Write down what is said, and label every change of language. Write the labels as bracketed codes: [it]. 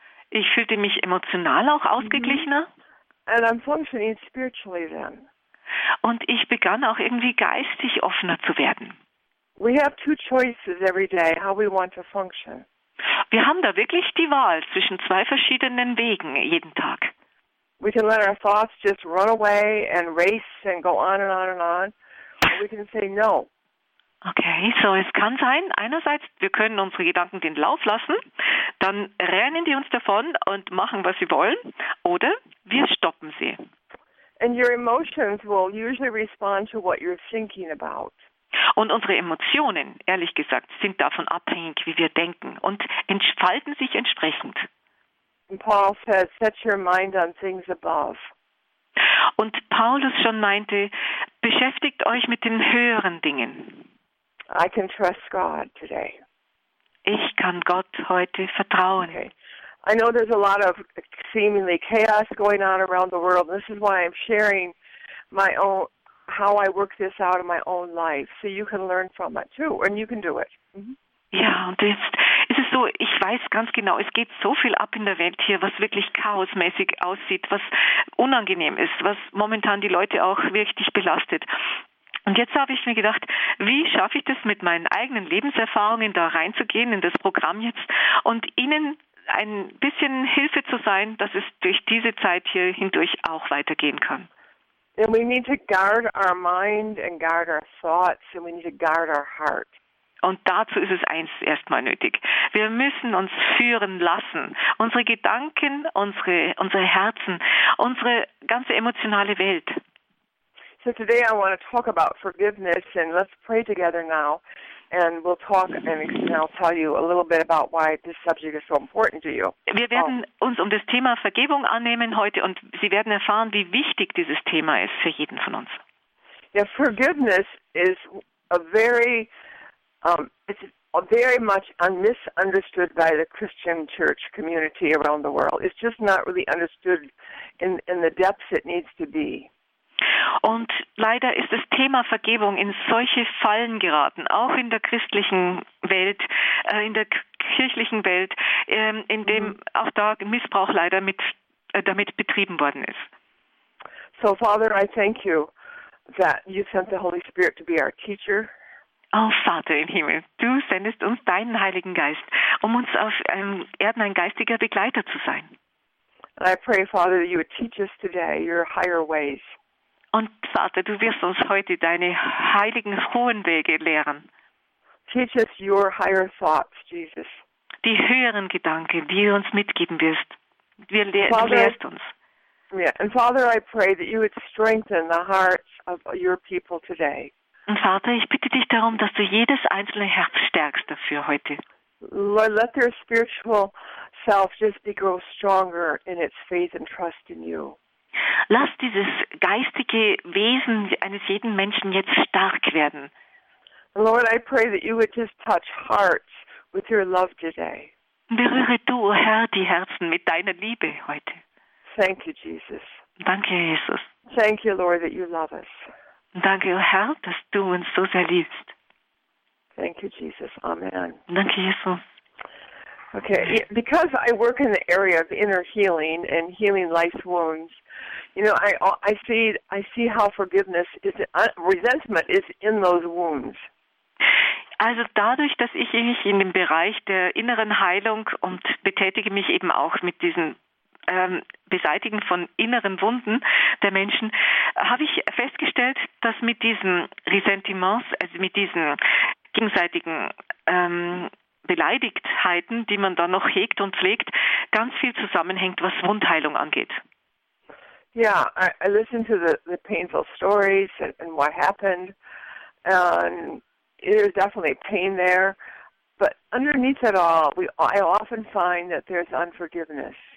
[de] Ich fühlte mich emotional auch ausgeglichener. [en] And I'm functioning spiritually then. [de] Und ich begann auch irgendwie geistig offener zu werden. [en] We have two choices every day, how we want to function. [de] Wir haben da wirklich die Wahl zwischen zwei verschiedenen Wegen jeden Tag. [en] We can let our thoughts just run away and race and go on and on and on. Or we can say no. [de] Okay, so es kann sein, einerseits, wir können unsere Gedanken den Lauf lassen, dann rennen die uns davon und machen, was sie wollen, oder wir stoppen sie. [en] your emotions will usually respond to what you're thinking about. [de] Und unsere Emotionen, ehrlich gesagt, sind davon abhängig, wie wir denken und entfalten sich entsprechend. [en] And Paul says, set your mind on things above. [de] Und Paulus schon meinte, beschäftigt euch mit den höheren Dingen. [en] I can trust God today. [de] Ich kann Gott heute vertrauen. [en] Okay. I know there's a lot of seemingly chaos going on around the world. This is why I'm sharing my own, how I work this out in my own life, so you can learn from it too, and you can do it. Mm-hmm. [de] Ja, und jetzt ist es so, ich weiß ganz genau, es geht so viel ab in der Welt hier, was wirklich chaosmäßig aussieht, was unangenehm ist, was momentan die Leute auch wirklich belastet. Und jetzt habe ich mir gedacht, wie schaffe ich das mit meinen eigenen Lebenserfahrungen da reinzugehen in das Programm jetzt und Ihnen ein bisschen Hilfe zu sein, dass es durch diese Zeit hier hindurch auch weitergehen kann. [en] And we need to guard our mind and guard our thoughts and we need to guard our heart. [de] Und dazu ist es eins erstmal nötig. Wir müssen uns führen lassen. Unsere Gedanken, unsere Herzen, unsere ganze emotionale Welt. [en] So today I want to talk about forgiveness and let's pray together now and we'll talk and I'll tell you a little bit about why this subject is so important to you. [de] Wir werden uns um das Thema Vergebung annehmen heute und Sie werden erfahren, wie wichtig dieses Thema ist für jeden von uns. [en] Yeah, forgiveness is a very very much misunderstood by the Christian church community around the world. It's just not really understood in the depths it needs to be. [de] Und leider ist das Thema Vergebung in solche Fallen geraten, auch in der christlichen Welt, in der kirchlichen Welt, in dem auch da Missbrauch leider damit betrieben worden ist. [en] So, Father, I thank you that you sent the Holy Spirit to be our teacher. [de] Oh, Vater im Himmel, du sendest uns deinen Heiligen Geist, um uns auf Erden ein geistiger Begleiter zu sein. [en] And I pray, Father, that you would teach us today your higher ways. [de] Und Vater, du wirst uns heute deine heiligen, hohen Wege lehren. [en] Teach us your higher thoughts, Jesus. [de] Die höheren Gedanken, die du uns mitgeben wirst. Lehrst uns. [en] Yeah. And Father, I pray that you would strengthen the hearts of your people today. [de] Und Vater, ich bitte dich darum, dass du jedes einzelne Herz stärkst dafür heute. [en] Lord, let their spiritual self just be grow stronger in its faith and trust in you. [de] Lass dieses geistige Wesen eines jeden Menschen jetzt stark werden. [en] Lord, I pray that you would just touch hearts with your love today. [de] Berühre du, Herr, die Herzen mit deiner Liebe heute. [en] Thank you, Jesus. [de] Danke, Jesus. [en] Thank you, Lord, that you love us. [de] Danke, Herr, dass du uns so sehr liebst. [en] Thank you, Jesus. Amen. [de] Danke, Jesus. [en] Okay, because I work in the area of inner healing and healing life wounds, you know, I see how forgiveness is resentment is in those wounds. [de] Also dadurch, dass ich mich in dem Bereich der inneren Heilung und betätige mich eben auch mit diesen Beseitigen von inneren Wunden der Menschen, habe ich festgestellt, dass mit diesen Resentiments, also mit diesen gegenseitigen Beleidigtheiten, die man dann noch hegt und pflegt, ganz viel zusammenhängt, was Wundheilung angeht. [en] Yeah, I listen to the painful stories and what happened. And there's definitely pain there. But underneath it all, I often find that there's unforgiveness.